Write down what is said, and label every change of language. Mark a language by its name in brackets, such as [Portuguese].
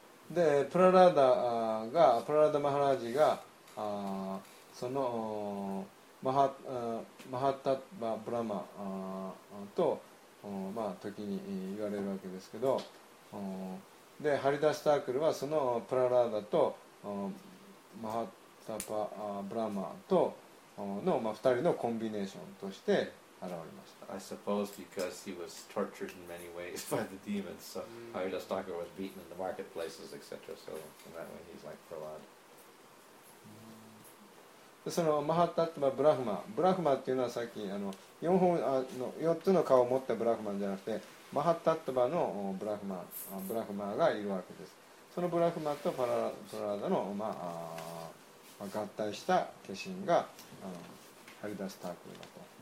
[Japanese] で、プララダが、プララダマハラジが、そのマハッタッバ・ブラマと、まあ、時に言われるわけですけど、で、ハリダスタークルはそのプララダとマハッタッバ・ブラマとの、まあ、2人のコンビネーションとして現れました。 [English] I suppose because he was tortured in many ways by the demons, so Haridas Thakur was beaten in the marketplaces, etc. So in that way, he's like Prahlad. [Japanese] そのマハタッタ、ブラフマ、ブラフマっていうのはさっきあの四本あの四つの顔を持ったブラフマじゃなくて、マハタッタバのブラフマ、ブラフマがいるわけです。そのブラフマとパララ、パララダの、まあ、合体した化身がハリダスタークルだと。